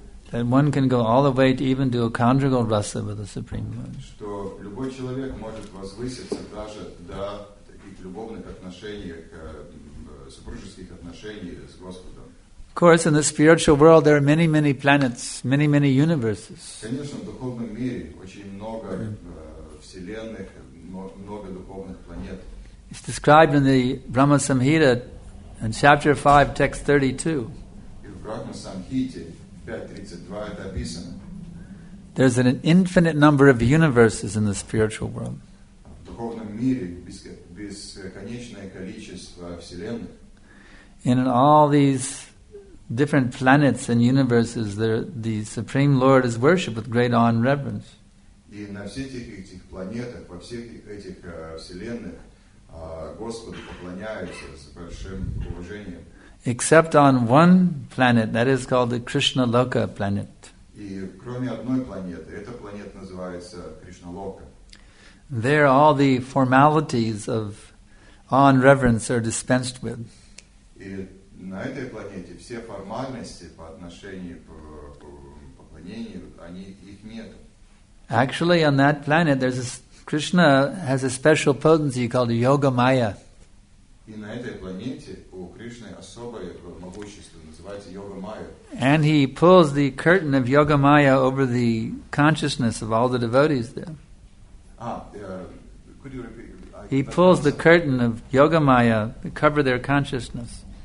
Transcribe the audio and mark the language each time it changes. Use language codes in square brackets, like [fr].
[en] That one can go all the way to even do a conjugal rasa with the Supreme Lord. [ru] Что любой человек может возвыситься даже до таких любовных отношений, супружеских отношений с Господом. [en] Of course, in the spiritual world, there are many, many planets, many, many universes. [ru] Конечно, в духовном мире очень много вселенных, много духовных планет. [en] It's described in the Brahma Samhita, in chapter 5, text 32. [ru] И в Брахма Самхите 5:32 это описано. [en] There's an infinite number of universes in the spiritual world. [ru] В духовном мире бесконечное количество вселенных. [en] And in all these different planets and universes, the Supreme Lord is worshipped with great awe and reverence. [ru] И на всех этих планетах, во всех этих вселенных, Господу поклоняются с большим уважением. [en] Except on one planet, that is called the Krishna Loka planet. [ru] И кроме одной планеты, эта планета называется Кришна Лока. [en] There, all the formalities of awe and reverence are dispensed with. [ru] На этой планете все формальности по отношению к поклонению, они их нет. [en] Actually, on that planet, Krishna has a special potency called Yoga Maya. [ru] И на этой планете у Кришны особое могущество, называется Йога Майя. [en] And he pulls the curtain of Yoga Maya over the consciousness of all the devotees there. Could you repeat? He pulls the curtain of Yoga Maya to cover their consciousness.